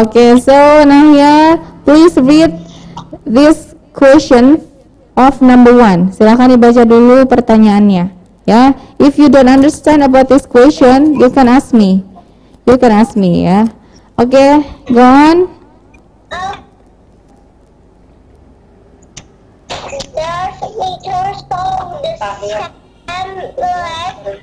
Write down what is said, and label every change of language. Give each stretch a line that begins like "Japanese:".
English: Okay, so Nahia, please read this question of number 1.
Indonesian: Silakan dibaca dulu pertanyaannya, ya.
English: If you don't understand about this question, you can ask me. You can ask me, ya. Okay, go on. There's meters on the sand leg.